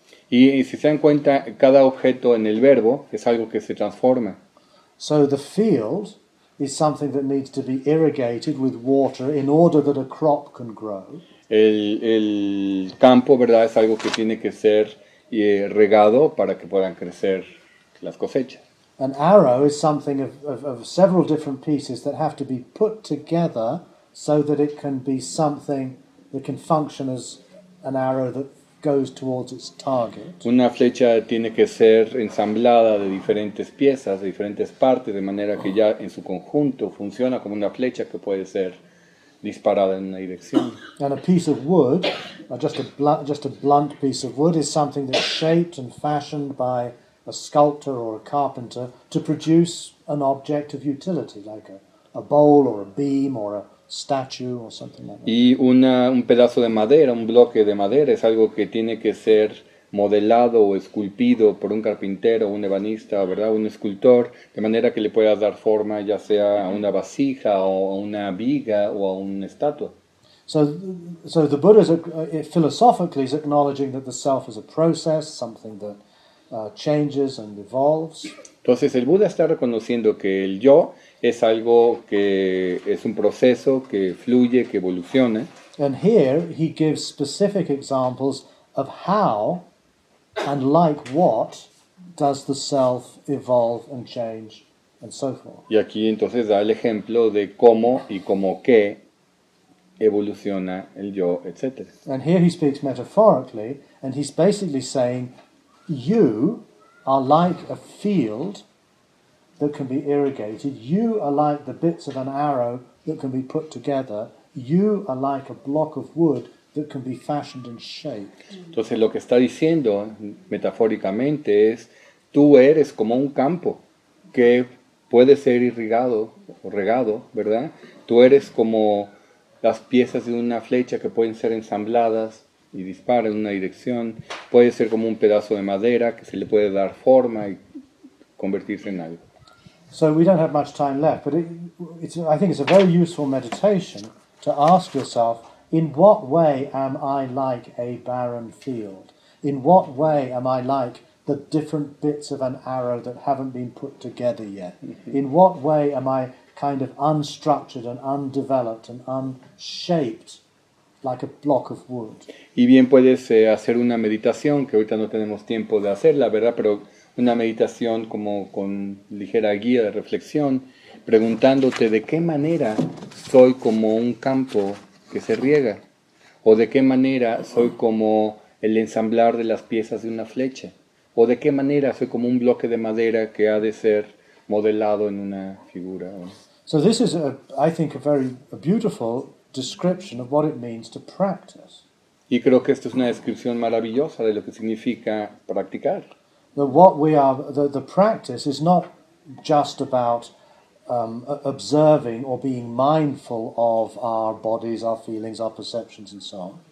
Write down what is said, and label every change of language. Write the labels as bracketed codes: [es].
[es] Y si se dan cuenta, cada objeto en el verbo es algo que se transforma. [en] So the field is something that needs to be irrigated with water in order that a crop can grow. [es] El campo, ¿verdad?, es algo que tiene que ser regado para que puedan crecer las cosechas. [en] An arrow is something of several different pieces that have to be put together so that it can be something that can function as an arrow that goes towards its target. [es] Una flecha tiene que ser ensamblada de diferentes piezas, de diferentes partes, de manera que ya en su conjunto funciona como una flecha que puede ser disparada en una dirección. [en] And a piece of wood, just a blunt piece of wood, is something that's shaped and fashioned by a sculptor or a carpenter to produce an object of utility, like a bowl or a beam or a statue or something like that. [es] Y un pedazo de madera, un bloque de madera, es algo que tiene que ser modelado o esculpido por un carpintero, un ebanista, ¿verdad?, un escultor, de manera que le puedas dar forma ya sea a una vasija o a una viga o a una estatua. [en] So the Buddha is philosophically is acknowledging that the self is a process, something that changes and evolves. [es] Entonces el Buda está reconociendo que el yo es algo que es un proceso que fluye, que evoluciona. [en] And here he gives specific examples of how and like what does the self evolve and change and so forth. [es] Y aquí entonces da el ejemplo de cómo y como qué evoluciona el yo, etc. [en] And here he speaks metaphorically, and he's basically saying, you are like a field that can be irrigated. You are like the bits of an arrow that can be put together. You are like a block of wood that can be fashioned and shaped. [es] Entonces lo que está diciendo metafóricamente es, tú eres como un campo que puede ser irrigado o regado, ¿verdad? Tú eres como las piezas de una flecha que pueden ser ensambladas y disparan en una dirección. Puede ser como un pedazo de madera que se le puede dar forma y convertirse en algo. [en] So we don't have much time left, but I think it's a very useful meditation to ask yourself, in what way am I like a barren field? In what way am I like the different bits of an arrow that haven't been put together yet? In what way am I kind of unstructured and undeveloped and unshaped like a block of wood? [es] Y bien puedes hacer una meditación, que ahorita no tenemos tiempo de hacerla, ¿verdad? Pero una meditación como con ligera guía de reflexión, preguntándote de qué manera soy como un campo que se riega, o de qué manera soy como el ensamblar de las piezas de una flecha, o de qué manera soy como un bloque de madera que ha de ser modelado en una figura. [en] So this is a beautiful description of what it means to practice. [es] Y creo que esto es una descripción maravillosa de lo que significa practicar. [en] The practice is not just about observing or being mindful of our bodies, our feelings, our perceptions, and so on.